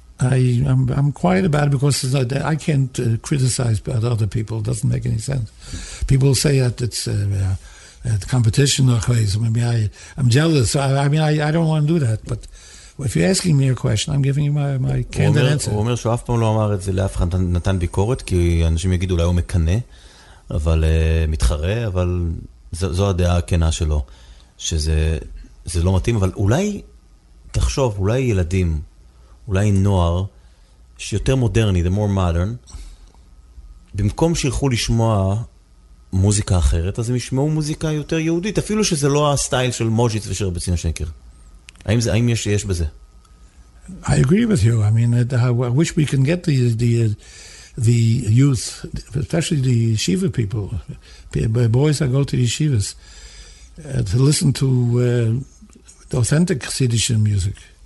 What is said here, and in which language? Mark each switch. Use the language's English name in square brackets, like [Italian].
[English] I'm quiet about it, because it's not, I can't criticize about other people. It doesn't make any sense. People say that it's competition, or maybe I'm jealous. I don't want to do that, but if you're asking me a question, I'm giving you my candid answer. [Hebrew] הוא אומר שהוא אף פעם לא אמר את זה לאף אחד, נתן ביקורת, כי אנשים יגידו, אולי הוא מקנה, אבל מתחרה, אבל... זו הדעה הכנה שלו, שזה לא מתאים, אבל אולי, תחשוב, אולי ילדים, אולי נוער, שיותר מודרני, [English] the more modern, [Hebrew] במקום שילכו לשמוע מוזיקה אחרת, אז הם ישמעו מוזיקה יותר יהודית, אפילו שזה לא הסטייל של מוז'יץ ושל רבי ציון שקר. האם יש בזה? [English] I agree with you. I mean, I wish we can get the youth, especially the yeshiva people, boys that go to yeshivas, to listen to the authentic Hasidic music.